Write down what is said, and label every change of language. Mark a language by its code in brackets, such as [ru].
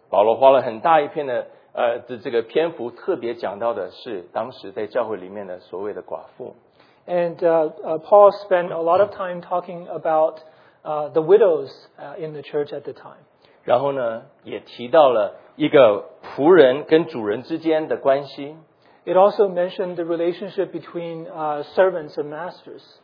[zh] 保罗花了很大一篇的 这个篇幅特别讲到的是当时在教会里面的所谓的寡妇。 [en] And Paul spent a lot of time talking about the widows in the church at the time. [zh] 然后呢, 也提到了一个仆人跟主人之间的关系。 [en] It also mentioned the relationship between servants and masters.